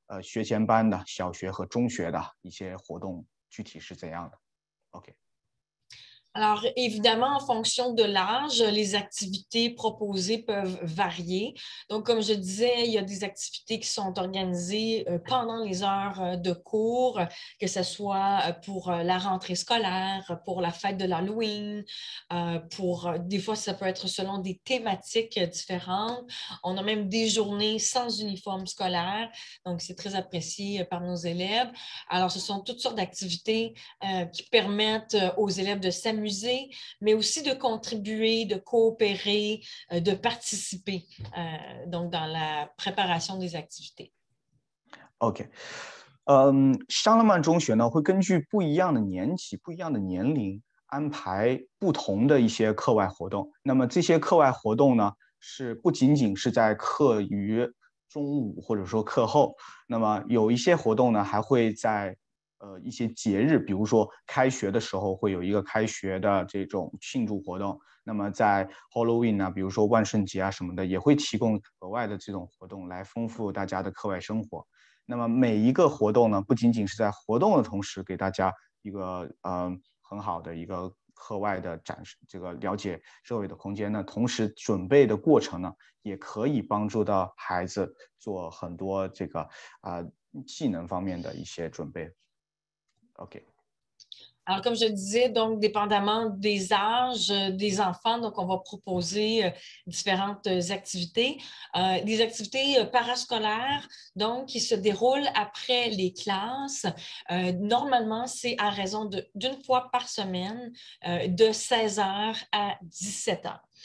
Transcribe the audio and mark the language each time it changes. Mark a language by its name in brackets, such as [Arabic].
[Chinese] 学前班的小学和中学的一些活动，具体是怎样的？OK。 [French] Alors, évidemment, en fonction de l'âge, les activités proposées peuvent varier. Donc, comme je disais, il y a des activités qui sont organisées pendant les heures de cours, que ce soit pour la rentrée scolaire, pour la fête de l'Halloween, pour des fois, ça peut être selon des thématiques différentes. On a même des journées sans uniforme scolaire, donc c'est très apprécié par nos élèves. Alors, ce sont toutes sortes d'activités qui permettent aux élèves de s'amuser. Musée, mais aussi de contribuer, de coopérer, de participer, donc dans la préparation des activités. [Chinese] OK，沙拉曼中学呢会根据不一样的年级、不一样的年龄安排不同的一些课外活动。那么这些课外活动呢，是不仅仅是在课余中午或者说课后，那么有一些活动呢还会在一些节日，比如说开学的时候会有一个开学的这种庆祝活动。那么在 Halloween 啊，比如说万圣节啊什么的，也会提供额外的这种活动来丰富大家的课外生活。那么每一个活动呢，不仅仅是在活动的同时给大家一个很好的一个课外的展示，这个了解社会的空间呢，同时准备的过程呢，也可以帮助到孩子做很多这个技能方面的一些准备。 OK。 [French] Alors, comme je disais, donc, dépendamment des âges des enfants, donc, on va proposer différentes activités. Des activités parascolaires, donc, qui se déroulent après les classes. Normalement, c'est à raison d'une fois par semaine, de 16h à 17h.